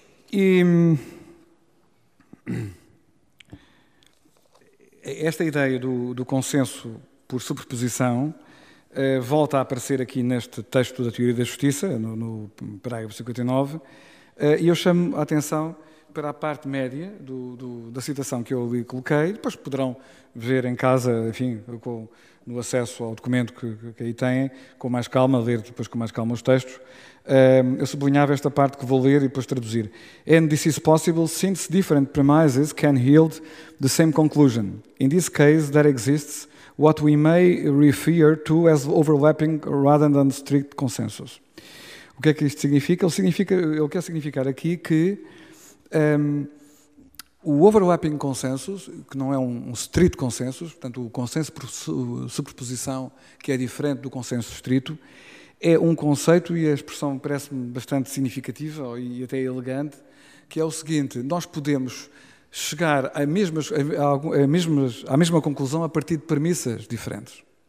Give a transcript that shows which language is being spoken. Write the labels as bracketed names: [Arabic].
[Portuguese] E esta ideia do consenso por superposição volta a aparecer aqui neste texto da Teoria da Justiça, no parágrafo 59, e eu chamo a atenção para a parte média da citação que eu lhe coloquei. Depois poderão ver em casa, enfim, no acesso ao documento que aí têm, com mais calma, ler depois com mais calma os textos. Eu sublinhava esta parte que vou ler e depois traduzir. [English] And this is possible since different premises can yield the same conclusion. In this case, there exists what we may refer to as overlapping rather than strict consensus. [Portuguese] O que é que isto significa? Ele quer significar aqui que o overlapping consensus, que não é um strict consensus, portanto o consenso por superposição, que é diferente do consenso estrito, é um conceito, e a expressão parece-me bastante significativa e até elegante, que é o seguinte: nós podemos chegar à mesma conclusão a partir de premissas diferentes.